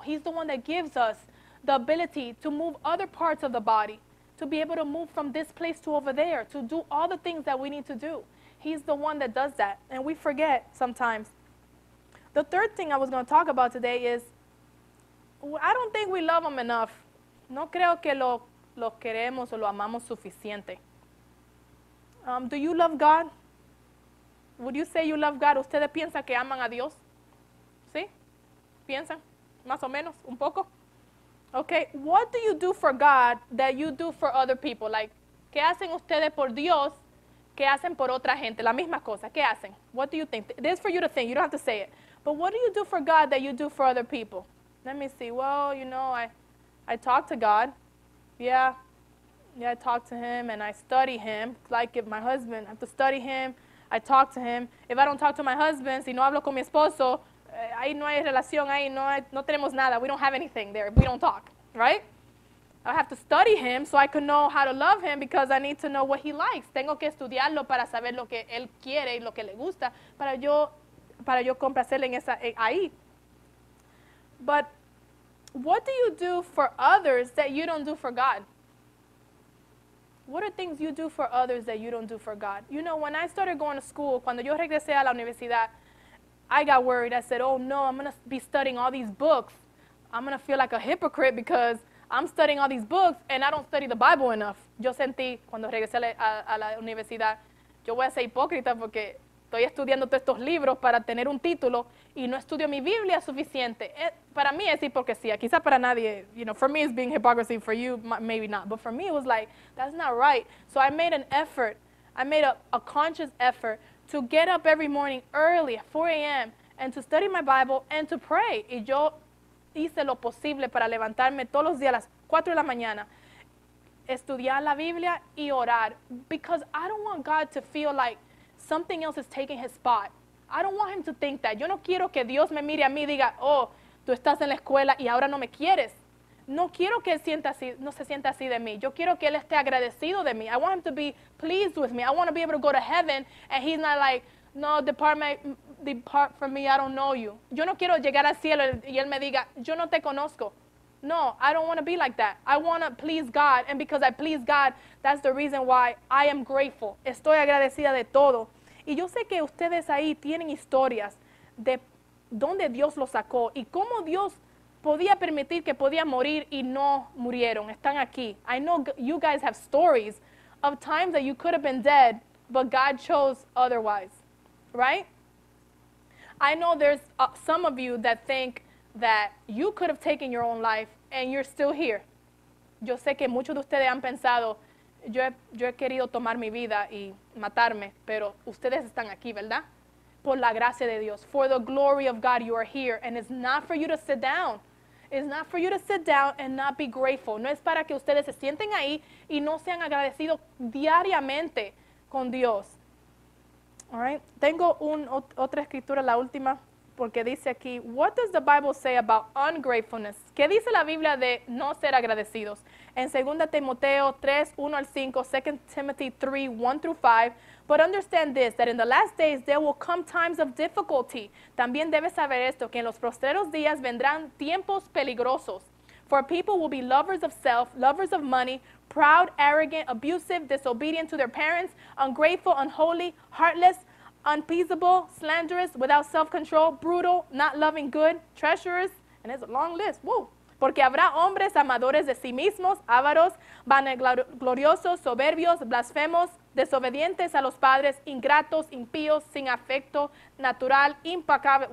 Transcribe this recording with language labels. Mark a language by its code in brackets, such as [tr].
[en] He's the one that gives us the ability to move other parts of the body, to be able to move from this place to over there, to do all the things that we need to do. He's the one that does that. And we forget sometimes. The third thing I was going to talk about today is, I don't think we love him enough. [es] No creo que lo queremos o lo amamos suficiente. [en] Do you love God? Would you say you love God? [es] ¿Ustedes piensan que aman a Dios? ¿Sí? ¿Piensan? ¿Más o menos? ¿Un poco? [en] Okay, what do you do for God that you do for other people? [es] Like, ¿qué hacen ustedes por Dios? ¿Qué hacen por otra gente? La misma cosa. ¿Qué hacen? [en] What do you think? This is for you to think. You don't have to say it. But what do you do for God that you do for other people? Let me see. Well, you know, I talk to God. Yeah. Yeah, I talk to him and I study him. Like if my husband, I have to study him. I talk to him. If I don't talk to my husband, [es] si no hablo con mi esposo, ahí no hay relación, ahí no hay, no tenemos nada. [en] We don't have anything there. We don't talk, right? I have to study him so I can know how to love him because I need to know what he likes. [es] Tengo que estudiarlo para saber lo que él quiere y lo que le gusta para yo complacerle en esa ahí. [en] But what do you do for others that you don't do for God? What are things you do for others that you don't do for God? You know, when I started going to school, [es] cuando yo regresé a la universidad, [en] I got worried. I said, oh, no, I'm going to be studying all these books. I'm going to feel like a hypocrite because I'm studying all these books and I don't study the Bible enough. [es] Yo sentí, cuando regresé a la universidad, yo voy a ser hipócrita porque estoy estudiando todos estos libros para tener un título y no estudio mi Biblia suficiente. Para mí es hipocresía. Quizá para nadie, [en] you know, for me it's being hypocrisy. For you, maybe not. But for me, it was like, that's not right. So I made an effort. I made a conscious effort to get up every morning early at 4 a.m. and to study my Bible and to pray. [es] Y yo hice lo posible para levantarme todos los días a las 4 de la mañana, estudiar la Biblia y orar. [en] Because I don't want God to feel like something else is taking his spot. I don't want him to think that. [es] Yo no quiero que Dios me mire a mí y diga, oh, tú estás en la escuela y ahora no me quieres. No quiero que él sienta así, no se sienta así de mí. Yo quiero que él esté agradecido de mí. [en] I want him to be pleased with me. I want to be able to go to heaven and he's not like, no, depart from me, I don't know you. [es] Yo no quiero llegar al cielo y él me diga, yo no te conozco. [en] No, I don't want to be like that. I want to please God, and because I please God, that's the reason why I am grateful. [es] Estoy agradecida de todo. Y yo sé que ustedes ahí tienen historias de dónde Dios los sacó y cómo Dios podía permitir que podía morir y no murieron. Están aquí. [en] I know you guys have stories of times that you could have been dead, but God chose otherwise, right? I know there's some of you that think that you could have taken your own life and you're still here. [es] Yo sé que muchos de ustedes han pensado, yo he querido tomar mi vida y matarme, pero ustedes están aquí, ¿verdad? Por la gracia de Dios. [en] For the glory of God, you are here. And it's not for you to sit down. It's not for you to sit down and not be grateful. [es] No es para que ustedes se sienten ahí y no sean agradecidos diariamente con Dios. All right. Tengo otra escritura, la última, porque dice aquí, [en] what does the Bible say about ungratefulness? [es] ¿Qué dice la Biblia de no ser agradecidos? En 2 Timoteo 3, 1 al 5, [en] 2 Timothy 3, 1 through 5, but understand this, that in the last days there will come times of difficulty. [es] También debes saber esto, que en los postreros días vendrán tiempos peligrosos. [en] For people will be lovers of self, lovers of money, proud, arrogant, abusive, disobedient to their parents, ungrateful, unholy, heartless, unpeaceable, slanderous, without self-control, brutal, not loving good, treacherous, and it's a long list, woo. [es] Porque habrá hombres amadores de sí mismos, avaros, vanagloriosos, soberbios, blasfemos, desobedientes a los padres, ingratos, impíos, sin afecto, natural, implacable.